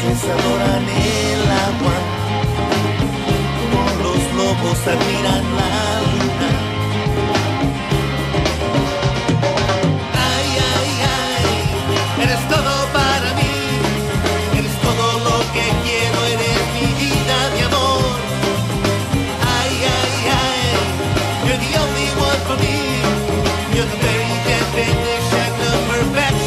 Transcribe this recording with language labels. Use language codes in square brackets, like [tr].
[es] adoran el agua, como los lobos admiran la luna. Ay, ay, ay, eres todo para mí, eres todo lo que quiero, eres mi vida, mi amor. [en] Ay, ay, ay, you're the only one for me, you're the very definition.